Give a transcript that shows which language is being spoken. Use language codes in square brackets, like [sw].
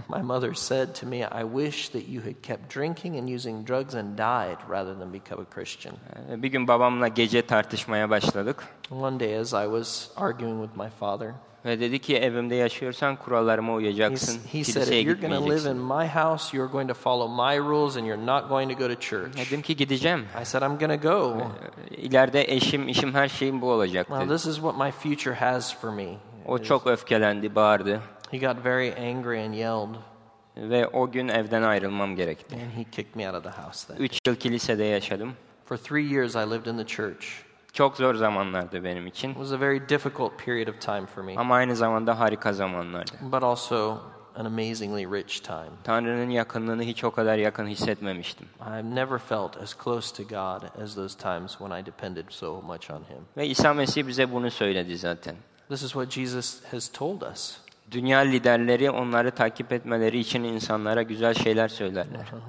[en] My mother said to me, "I wish that you had kept drinking and using drugs and died rather than become a Christian." [tr] Bir gün babamla gece tartışmaya başladık. [en] One day as I was arguing with my father, [tr] ve dedi ki evimde yaşıyorsan kurallarıma uyacaksın. [en] He said, "If you're going to live in my house, you're going to follow my rules and you're not going to go to church." [tr] Dedim ki gideceğim. [en] I said, "I'm going to go." [tr] İleride eşim, işim, her şeyim bu olacak dedi. [en] Well, this is what my future has for me. [tr] O çok öfkelendi, bağırdı. [en] He got very angry and yelled. [tr] Ve o gün evden ayrılmam gerekti. [en] And he kicked me out of the house then. [tr] 3 yıl kilisede yaşadım. [en] For 3 years I lived in the church. [tr] Çok zor zamanlardı benim için. [en] It was a very difficult period of time for me. [tr] Ama aynı zamanda harika zamanlardı. [en] But also an amazingly rich time. [tr] Tanrı'nın yakınlığını hiç o kadar yakın hissetmemiştim. [en] I never felt as close to God as those times when I depended so much on him. [tr] Ve İsa Mesih bize bunu söyledi zaten. [en] This is what Jesus has told us. [tr] Dünya liderleri onları takip etmeleri için insanlara güzel şeyler söylerler.